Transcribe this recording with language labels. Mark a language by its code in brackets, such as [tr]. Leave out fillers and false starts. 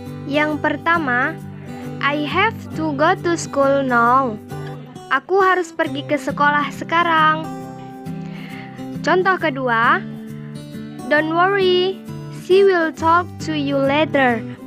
[id] yang pertama, [en] I have to go to school now. [id] Aku harus pergi ke sekolah sekarang. Contoh kedua, [en] don't worry, she will talk to you later.